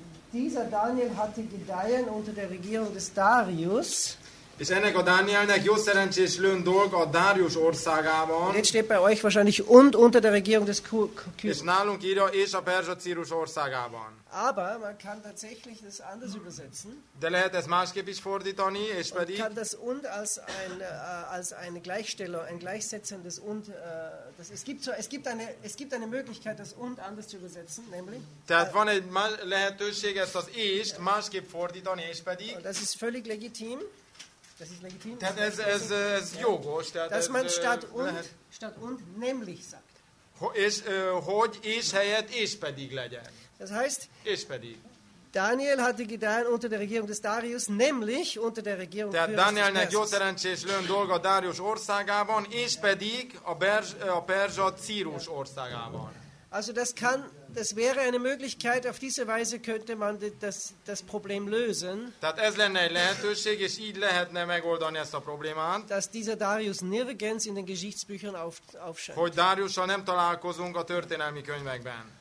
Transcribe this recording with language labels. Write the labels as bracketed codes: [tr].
[de] Dieser Daniel hatte Gedeihen unter der Regierung des Darius. [hu] És ennek a Dánielnek jó szerencsés lőn dolg a Darius országában. [de] Jetzt steht bei euch wahrscheinlich und unter der Regierung des [hu] És nálunk írja, és a Perzsa Círus országában. [de] Aber man kann tatsächlich das anders übersetzen. [hu] De lehet ezt másképp is fordítani, és pedig... [de] Und kann das und als eine Gleichstellung, ein gleichsetzendes und... das, es gibt eine Möglichkeit, das und anders zu übersetzen, nämlich... [hu] Tehát van egy lehetőség, ezt az és-t másképp fordítani, és pedig... [de] Das ist völlig legitim. [hu] Tehát ez jogos, tehát [de] dass man statt und nämlich sagt. [hu] Hogy és helyett és pedig legyen. [de] Das heißt, [hu] és pedig. [de] Daniel hatte Gedeihen unter der Regierung des Darius, nämlich unter der Regierung Pyrrhus. [hu] Tehát Danielnek jó szerencsés lőn dolga Darius országában, és pedig a Perzsa Círus országában. [de] Also das wäre eine Möglichkeit, auf diese Weise könnte man das Problem lösen. [hu] Tehát ez lenne egy lehetőség, és így lehetne megoldani ezt a problémát. [de] Dass dieser Darius nirgends in den Geschichtsbüchern aufscheint. [hu] Hogy Dariussal nem találkozunk a történelmi könyvekben.